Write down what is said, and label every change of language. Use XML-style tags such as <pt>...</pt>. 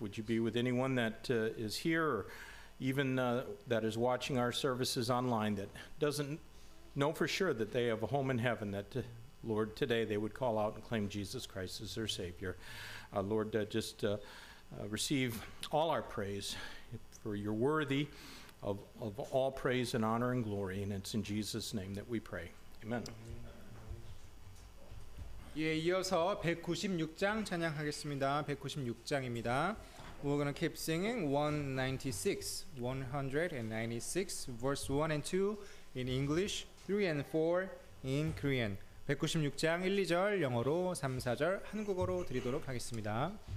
<en>Would you be with anyone that is here or even that is watching our services online that doesn't know for sure that they have a home in heaven, that, Lord, today they would call out and claim Jesus Christ as their Savior? Lord, just receive all our praise, for you're worthy of all praise and honor and glory, and it's in Jesus' name that we pray. Amen.</en> <ko>예, 이어서 196장 찬양하겠습니다. 196장입니다.</ko> <en>We're going to keep singing 196, verse 1 and 2 in English, 3 and 4 in Korean.</en> <ko>196장 1, 2절 영어로, 3, 4절 한국어로 드리도록 하겠습니다.</ko>